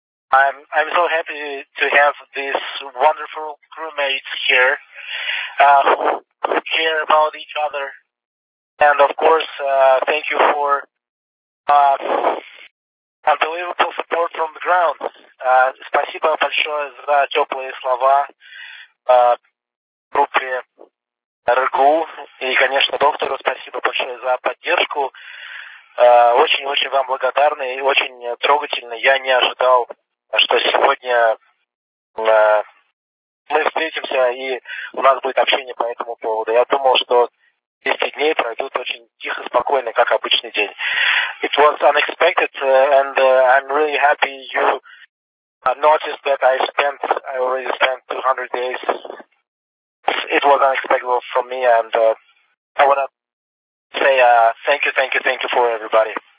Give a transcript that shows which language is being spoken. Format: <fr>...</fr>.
<en>I'm so happy to have these wonderful crewmates here who care about each other. And of course, thank you for unbelievable support from the ground.</en> <ru>Спасибо большое за теплые слова группе РГУ. И, конечно, доктору спасибо большое за поддержку. Очень-очень вам благодарны и очень трогательно. Я не ожидал, что сегодня мы встретимся и у нас будет общение по этому поводу. Я думал, что 10 дней пройдут очень тихо, спокойно, как обычный день.</ru> <en>It was unexpected, and I'm really happy you noticed that I already spent 200 days. It was unexpected from me, and I want to say thank you for everybody.</en>